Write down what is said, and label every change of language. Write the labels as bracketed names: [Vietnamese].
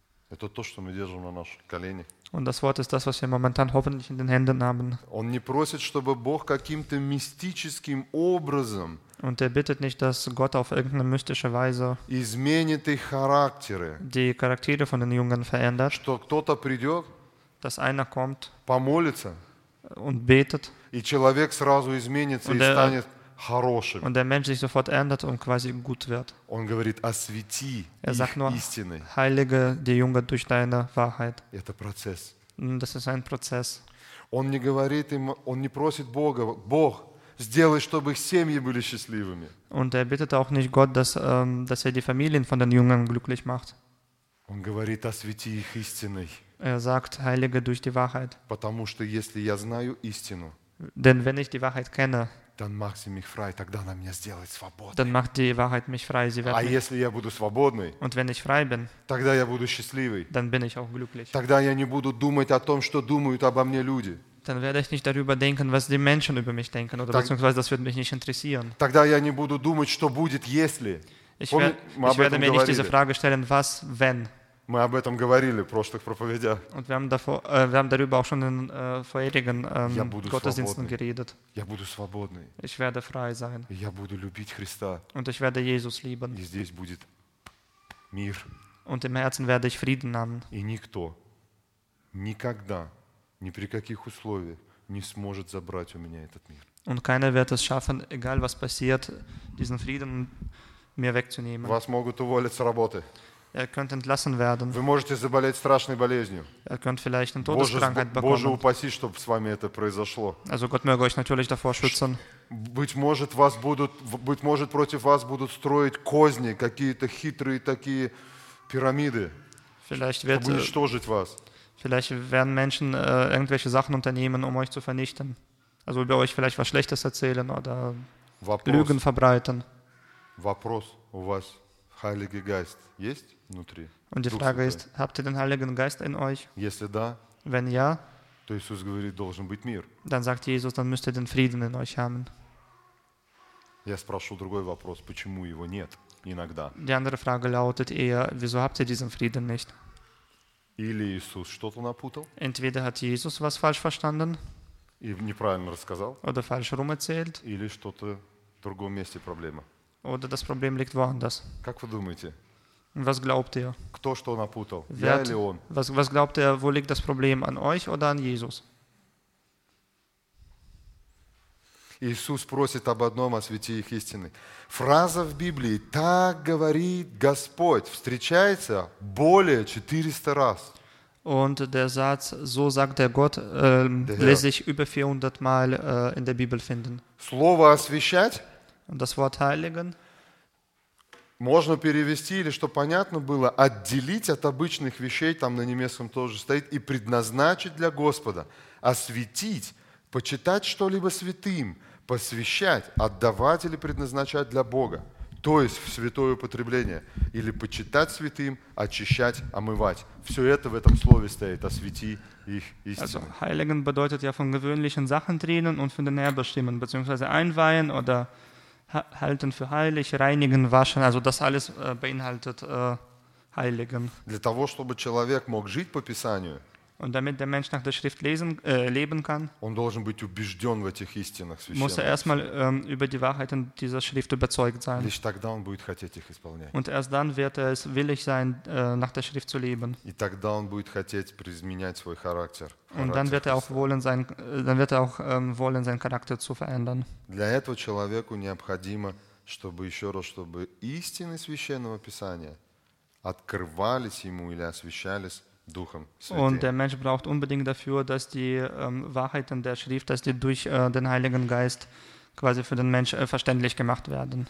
[German] Und das Wort ist das, was wir momentan hoffentlich in den Händen haben. Und er bittet nicht, dass Gott auf irgendeine mystische Weise die Charaktere von den Jungen verändert, dass jemand kommt, dass einer kommt, [Russian] помолится, [German] und betet, [Russian] и человек сразу изменится [German] und er, [Russian] и станет хорошим. [German] Und der Mensch sich sofort ändert und quasi gut wird. [Russian] Он говорит, освети [German] er sagt nur, [Russian] истины. [German] Heilige die Jünger durch deine Wahrheit. [Russian] Это процесс. [German] Das ist ein Prozess. [Russian] Он не говорит им, он не просит Бога, Бог, сделай, чтобы их семьи были счастливыми. [German] Und er bittet auch nicht Gott, dass, dass er die Familien von den Jüngern glücklich macht. [Russian] Он говорит, освети их истиной. [German] Er sagt, heilige durch die Wahrheit. [Russian] Потому что если я знаю истину, [German] denn wenn ich die Wahrheit kenne, dann macht sie mich frei, [Russian] тогда она меня сделает свободной. [German] Dann macht die Wahrheit mich frei, sie wird [Russian] а [German] mich... [Russian] если я буду свободный, [German] und wenn ich frei bin, [Russian] тогда я буду счастливый. [German] Dann bin ich auch glücklich. [Russian] Тогда я не буду думать о том, что думают обо мне люди. [German] Dann werde ich nicht darüber denken, was die Menschen über mich denken, oder beziehungsweise das wird mich nicht interessieren. [Russian] Тогда я не буду думать, что будет, если. [German] Ich werde mir nicht diese Frage stellen, was, wenn. [Russian] Мы об этом говорили в прошлых проповедях. [German] Und wir haben darüber auch schon in vorherigen Gottesdiensten geredet. [Russian] Я буду свободный. [German] Ich werde frei sein. [Russian] Я буду любить Христа. [German] Und ich werde Jesus lieben. [Russian] И здесь будет мир. [German] Und im Herzen werde ich Frieden haben. [Russian] И никто никогда ни при каких условиях не сможет забрать у меня этот мир. [German] Und keiner wird es schaffen, egal was passiert, diesen Frieden mir wegzunehmen. [Russian] Вас могут уволить с работы. [German] Er könnte entlassen werden. [Russian] Вы можете заболеть страшной болезнью. [German] Er könnte vielleicht eine Todeskrankheit bekommen. [Russian] Боже упаси, чтобы с вами это произошло. [German] Also Gott möge euch natürlich davor schützen. [Russian] Быть может, против вас будут строить козни, какие-то хитрые такие пирамиды. [German] Vielleicht wird, [Russian] чтобы уничтожить вас. [German] Vielleicht werden Menschen irgendwelche Sachen unternehmen, um euch zu vernichten. Also über euch vielleicht was Schlechtes erzählen oder Lügen verbreiten. [Russian] Вопрос у вас. [German] Heiliger Geist ist [Russian] внутри. [German] Und die Frage ist, habt ihr den Heiligen Geist in euch? [Russian] Если да, [German] wenn ja, [Russian] то Иисус говорит, должен быть мир. [German] Dann sagt Jesus, dann müsst ihr den Frieden in euch haben. [Russian] Я спрошу другой вопрос, почему его нет иногда? [German] Die andere Frage lautet eher, wieso habt ihr diesen Frieden nicht? [Russian] Или Иисус что-то напутал? [German] Entweder hat Jesus was falsch verstanden? [Russian] И неправильно рассказал? [German] Oder falsch rum erzählt? [Russian] Или что-то в другом месте проблема? [German] Oder das Problem liegt woanders. [Russian] Как вы думаете? [German] Was glaubt ihr? [Russian] Кто что напутал? Я или он? [German] Was glaubt ihr, wo liegt das Problem, an euch oder an Jesus? [Russian] Иисус просит об одном, освети их истины. Фраза в Библии «Так говорит Господь» встречается более 400 раз. [German] Und der Satz «So sagt der Gott» lässt sich über 400 Mal in der Bibel finden. [Russian] Слово «освещать»? [German] Und das Wort heiligen. [Russian] Можно перевести или что понятно было отделить от обычных вещей там на немецком тоже стоит и предназначить для Господа осветить почитать что-либо святым посвящать отдавать или предназначать для Бога то есть в святое употребление или почитать святым очищать омывать все это в этом слове стоит освети их истину. [German] Also heiligen bedeutet ja von gewöhnlichen Sachen trennen und von den Erbestimmen beziehungsweise einweihen oder halten für heilig, reinigen, waschen, also das alles beinhaltet heiligen. [Russian] Для того, чтобы человек мог жить по Писанию, [German] und damit der Mensch nach der Schrift lesen, leben kann, [Russian] он должен быть убежден в этих истинах священных. [German] Muss er erstmal über die Wahrheiten dieser Schrift überzeugt sein. [Russian] Лишь тогда он будет хотеть их исполнять. [German] Und erst dann wird er es willig sein, nach der Schrift zu leben. [Russian] И тогда он будет хотеть изменять свой характер. [German] Und dann wird er auch wollen, seinen Charakter zu verändern. [Russian] Для этого человеку необходимо, чтобы еще раз, чтобы истины священного Писания открывались ему или освещались Духом Святым. [German] Und der Mensch braucht unbedingt dafür, dass die Wahrheiten der Schrift, dass die durch den Heiligen Geist quasi für den Mensch verständlich gemacht werden.